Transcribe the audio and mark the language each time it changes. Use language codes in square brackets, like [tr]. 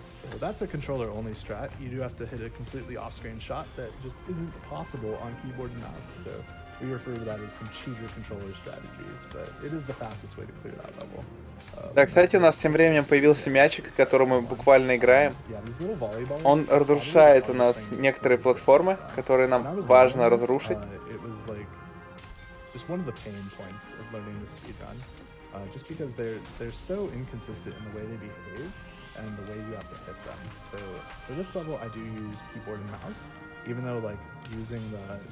[en] Well, that's a controller-only strat. You do have to hit a completely off-screen shot that just isn't possible on keyboard and mouse. So we refer to that as some cheater controller strategies, but it is the fastest way to clear that level. [ru] Да, кстати, у нас тем временем появился мячик, который мы буквально играем. Он разрушает у нас некоторые платформы, которые нам важно разрушить. [en] It was like just one of the pain points of learning the speedrun, just because they're so inconsistent in the way they behave. And the way you have to hit them. So for this level, I do use keyboard and mouse, even though like using the